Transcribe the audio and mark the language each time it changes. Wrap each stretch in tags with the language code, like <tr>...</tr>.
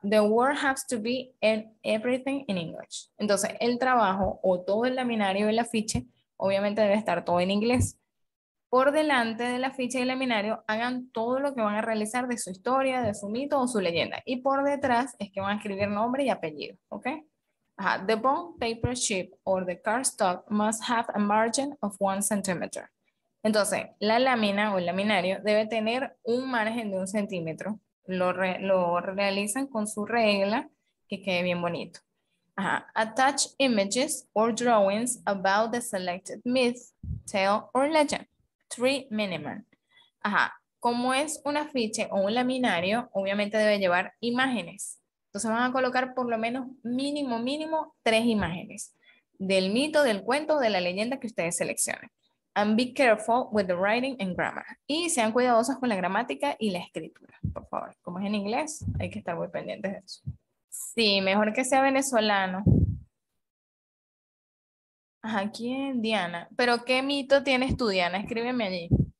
<en>The word has to be in everything in English.</en> <es>Entonces, el trabajo o todo el laminario y el afiche, obviamente debe estar todo en inglés. Por delante del afiche y el laminario, hagan todo lo que van a realizar de su historia, de su mito o su leyenda. Y por detrás es que van a escribir nombre y apellido, ¿ok? Ajá.</es> <en>The bond paper chip or the cardstock must have a margin of 1 centimeter.</en> <es>Entonces, la lámina o el laminario debe tener un margen de 1 centímetro. Lo realizan con su regla, que quede bien bonito. Ajá.</es> <en>Attach images or drawings about the selected myth, tale or legend. 3 minimum. Ajá.</en> <es>Como es un afiche o un laminario, obviamente debe llevar imágenes. Entonces van a colocar por lo menos mínimo tres imágenes del mito, del cuento, de la leyenda que ustedes seleccionen.</es> <en>And be careful with the writing and grammar.</en> <es>Y sean cuidadosos con la gramática y la escritura, por favor. Como es en inglés, hay que estar muy pendientes de eso. Sí, mejor que sea venezolano. Ajá, ¿quién? Diana. ¿Pero qué mito tienes tú, Diana? Escríbeme allí.</es>